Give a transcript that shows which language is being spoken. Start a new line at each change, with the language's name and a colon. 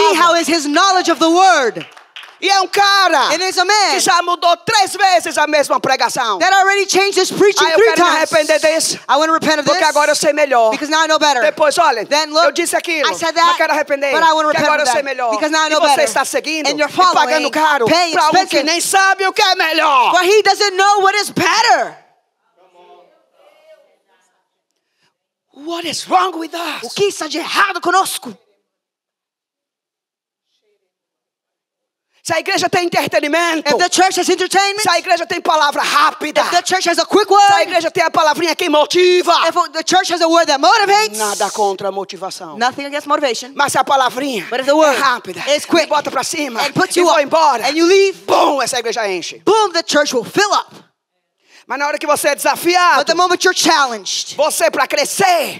English: See how is his knowledge of the word.
Portuguese: E é um cara
English: and it's a man
Portuguese: que já mudou três vezes a mesma pregação.
English: That already changed his preaching three
Portuguese: Eu quero me arrepender disso.
English: I want to repent of
Portuguese: porque Porque agora eu sei melhor.
English: Because now I know better.
Portuguese: Depois, olha,
English: then look,
Portuguese: eu disse aquilo.
English: I said that,
Portuguese: mas quero arrepender.
English: But I want to repent
Portuguese: agora
English: of that.
Portuguese: Eu sei melhor.
English: Because now I know
Portuguese: e você
English: better.
Portuguese: Está seguindo.
English: And you're following.
Portuguese: E pagando caro.
English: Paying
Portuguese: pra
English: expensive.
Portuguese: Um que nem sabe o que é melhor.
English: But he doesn't know what is better. What is wrong with us?
Portuguese: O que está de errado conosco? Se a igreja tem entretenimento,
English: if the church has entertainment,
Portuguese: se a igreja tem palavra rápida,
English: if the church has a quick word,
Portuguese: se a igreja tem a palavrinha que motiva,
English: if the church has a word that motivates,
Portuguese: nada contra a motivação,
English: nothing against motivation,
Portuguese: mas se a palavrinha,
English: but if the word
Portuguese: é rápida,
English: is quick,
Portuguese: me bota pra cima,
English: and puts
Portuguese: e
English: you
Portuguese: vou
English: up,
Portuguese: embora,
English: and you leave,
Portuguese: boom, essa igreja enche,
English: boom, the church will fill up.
Portuguese: Mas na hora que você é desafiado,
English: but the moment you're challenged,
Portuguese: você para crescer,